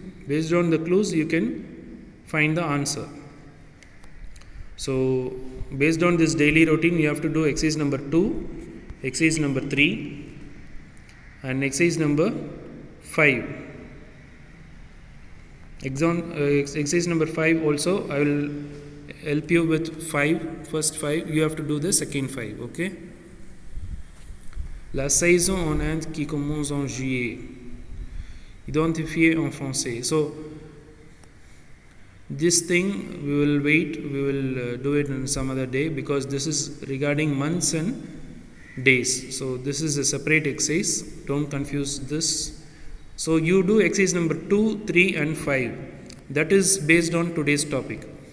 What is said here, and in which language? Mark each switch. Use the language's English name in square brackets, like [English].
[English] Based on the clues, you can find the answer. So based on this daily routine, you have to do exercise number 2, exercise number 3, and exercise number 5. Exercise number 5 also, I will help you with first five, you have to do the second five, okay? [French] La saison en Inde qui commence en juillet. Identifier en français. [English] So, this thing we will wait, we will do it in some other day because this is regarding months and days. So, this is a separate exercise. Don't confuse this. So, you do exercise number 2, 3 and 5. That is based on today's topic.